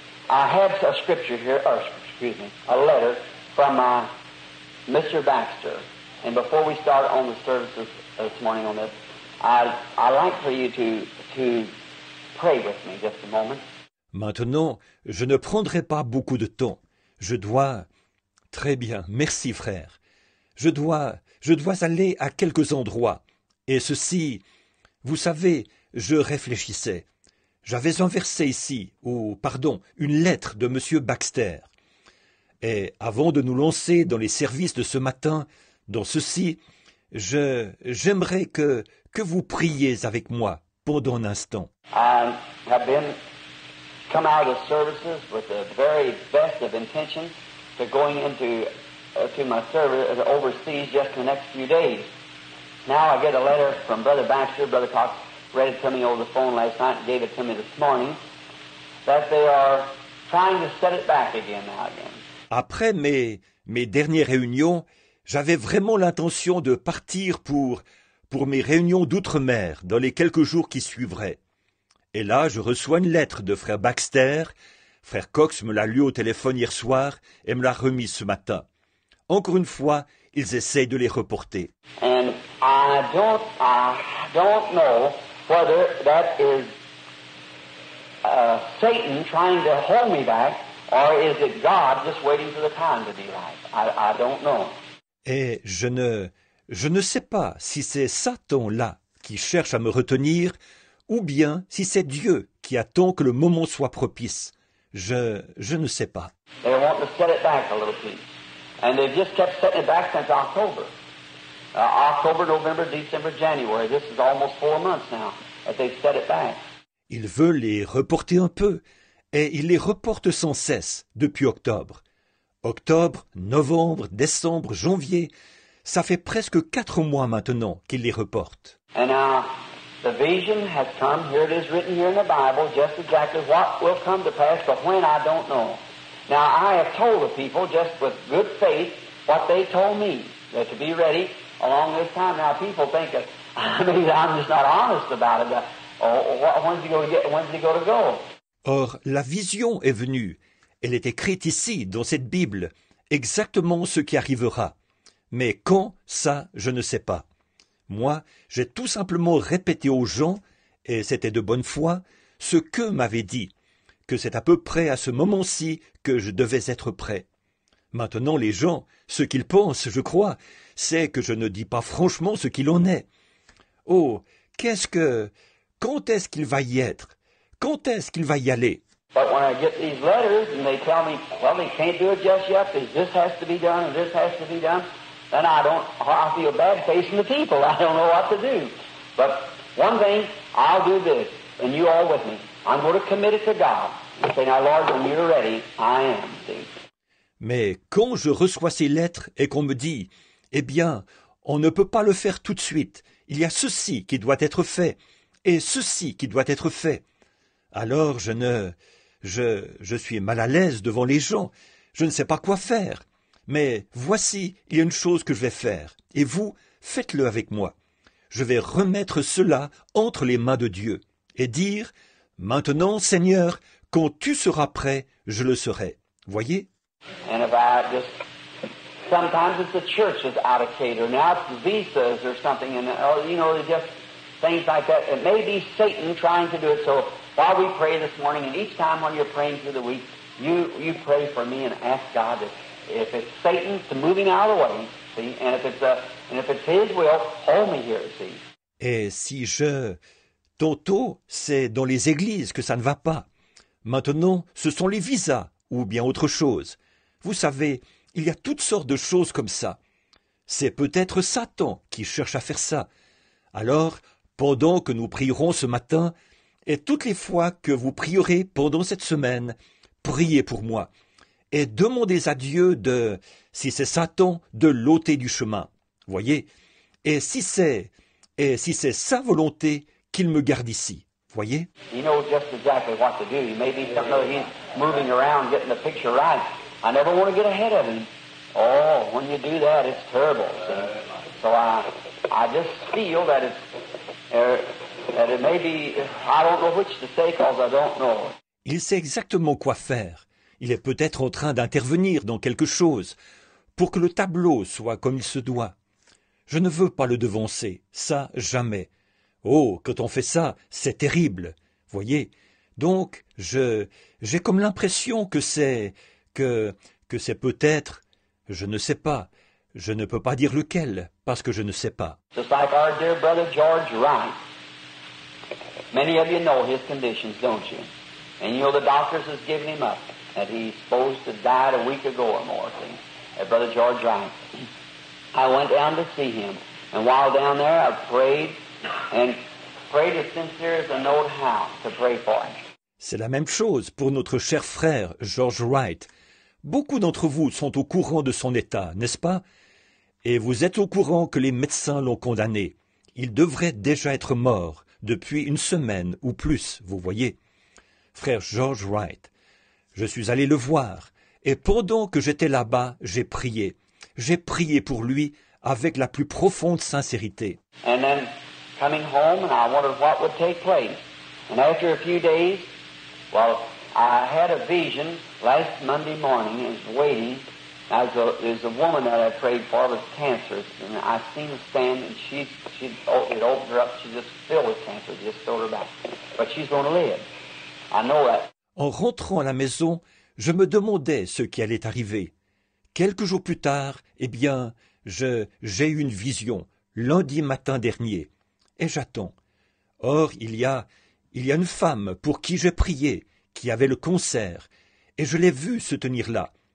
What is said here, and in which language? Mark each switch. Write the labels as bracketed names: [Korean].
[English] I have a scripture here, or excuse me, a letter from my Mr. Baxter. And before we start on the services this morning on this, I'd like for you to pray with me just a moment. [French] Maintenant, je ne prendrai pas beaucoup de temps. Je dois... Très bien, merci frère. Je dois aller à quelques endroits. Et ceci, vous savez, je réfléchissais. J'avais un verset ici, ou pardon, une lettre de M. Baxter. Et avant de nous lancer dans les services de ce matin, dans ceci, j'aimerais que vous priez avec moi pendant un instant. [English] I have come out of services with the very best of intentions to going into to my service overseas just in the next few days. Now I get a letter from Brother Baxter. Brother Cox read it to me over the phone last night and gave it to me this morning, that they are trying to set it back again now again. [French] Après mes dernières réunions, j'avais vraiment l'intention de partir pour mes réunions d'outre-mer dans les quelques jours qui suivraient. Et là, je reçois une lettre de frère Baxter. Frère Cox me l'a lu au téléphone hier soir et me l'a remise ce matin. Encore une fois, ils essayent de les reporter. [English] And I don't know whether that is Satan trying to hold me back or is it God just waiting for the time to be right. I don't know. [French] Et je ne sais pas si c'est Satan là qui cherche à me retenir ou bien si c'est Dieu qui attend que le moment soit propice. Je ne sais pas. [English] They want to set it back a little piece. And they've just kept setting it back since October. October, November, December, January. This is almost 4 months now that they've set it back. [French] Ils veulent les reporter un peu. Et ils les reportent sans cesse depuis octobre. Octobre, novembre, décembre, janvier. Ça fait presque 4 mois maintenant qu'ils les reportent. [English] And now, the vision has come, here it is written here in the Bible, just exactly what will come to pass, but when, I don't know. Now, I have told the people, just with good faith, what they told me, that to be ready along this time. Now, people think, I'm just not honest about it. When's he going to go? [French] Or, la vision est venue. Elle est écrite ici, dans cette Bible, exactement ce qui arrivera. Mais quand, ça, je ne sais pas. Moi, j'ai tout simplement répété aux gens et c'était de bonne foi, ce qu'eux m'avaient dit, que c'est à peu près à ce moment-ci que je devais être prêt. Maintenant, les gens, ce qu'ils pensent, je crois, c'est que je ne dis pas franchement ce qu'il en est. Oh, qu'est-ce que... Quand est-ce qu'il va y être? Quand est-ce qu'il va y aller? [English] But when I get these letters and they tell me, well, they can't do it just yet, this has to be done and this has to be done, then I feel bad facing the people. I don't know what to do. But one thing, I'll do this, and you all with me. I'm going to commit it to God. And say, now, Lord, when you're ready, I am. [French] Mais quand je reçois ces lettres et qu'on me dit, eh bien, on ne peut pas le faire tout de suite, il y a ceci qui doit être fait, et ceci qui doit être fait. Alors je suis mal à l'aise devant les gens, je ne sais pas quoi faire, mais voici, il y a une chose que je vais faire, et vous, faites-le avec moi. Je vais remettre cela entre les mains de Dieu, et dire, maintenant, Seigneur, quand tu seras prêt, je le serai. Voyez? [English] And if I just, sometimes it's the church that's out of cater, now it's the visas or something, and you know, just things like that. It may be Satan trying to do it. So while we pray this morning, and each time when you're praying through the week, you pray for me and ask God if it's Satan's moving out of the way, see, and if it's his will, hold me here, see. [French] Et si je, tantôt, c'est dans les églises que ça ne va pas. Maintenant, ce sont les visas. Ou bien autre chose. Vous savez, il y a toutes sortes de choses comme ça. C'est peut-être Satan qui cherche à faire ça. Alors, pendant que nous prierons ce matin, et toutes les fois que vous prierez pendant cette semaine, priez pour moi. Et demandez à Dieu de, si c'est Satan, de l'ôter du chemin. Voyez? Et si c'est sa volonté, qu'il me garde ici. Voyez? [English] He knows just exactly what to do. He may be something he's moving around, getting the picture right. I never want to get ahead of him. Oh, when you do that, it's terrible. See? So I just feel that it may be, I don't know which to say because I don't know. [French] Il sait exactement quoi faire. Il est peut-être en train d'intervenir dans quelque chose pour que le tableau soit comme il se doit. Je ne veux pas le devancer, ça jamais. Oh, quand on fait ça, c'est terrible, voyez. Donc, j'ai comme l'impression que c'est peut-être, je ne sais pas, je ne peux pas dire lequel, parce que je ne sais pas. [English] Just like our dear brother George Wright. Many of you know his conditions, don't you? And you know the doctors has given him up, that he's supposed to die a week ago or more, see? Brother George Wright. I went down to see him, and while down there, I prayed. And prayed as sincere as I know how to pray for him. [French] C'est la même chose pour notre cher frère George Wright. Beaucoup d'entre vous sont au courant de son état, n'est-ce pas? Et vous êtes au courant que les médecins l'ont condamné. Il devrait déjà être mort depuis une semaine ou plus, vous voyez. Frère George Wright, je suis allé le voir, et pendant que j'étais là-bas, j'ai prié. J'ai prié pour lui avec la plus profonde sincérité. [English] And then, coming home, and I wondered what would take place. And after a few days, well, I had a vision last Monday morning. I was waiting. There's a woman that I prayed for was cancerous, and I seen her stand, and it opened her up. She just filled with cancer, just filled her back. But she's going to live. I know that. [French] En rentrant à la maison, je me demandais ce qui allait arriver. Quelques jours plus tard, eh bien, j'ai eu une vision lundi matin dernier. Et j'attends. Or, il y a une femme pour qui j'ai prié, qui avait le cancer, et je l'ai vue se tenir là.